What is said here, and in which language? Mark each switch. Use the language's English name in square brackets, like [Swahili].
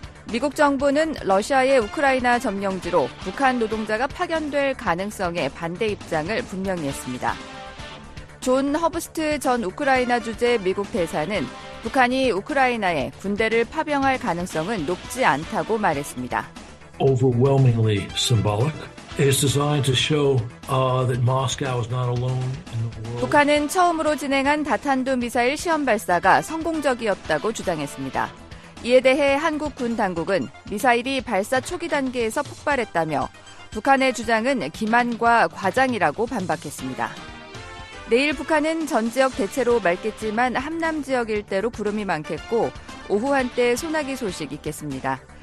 [Korean] 미국 정부는 러시아의 우크라이나 점령지로 북한 노동자가 파견될 가능성에 반대 입장을 분명히 했습니다. 존 허브스트 전 우크라이나 주재 미국 대사는 북한이 우크라이나에 군대를 파병할 가능성은 높지 않다고 말했습니다. [English] Overwhelmingly symbolic. It's designed to show that Moscow is not alone in the world. [Korean] 북한은 처음으로 진행한 다탄도 미사일 시험 발사가 성공적이었다고 주장했습니다. 이에 대해 한국 군 당국은 미사일이 발사 초기 단계에서 폭발했다며 북한의 주장은 기만과 과장이라고 반박했습니다. 내일 북한은 전 지역 대체로 맑겠지만 함남 지역 일대로 구름이 많겠고 오후 한때 소나기 소식 있겠습니다.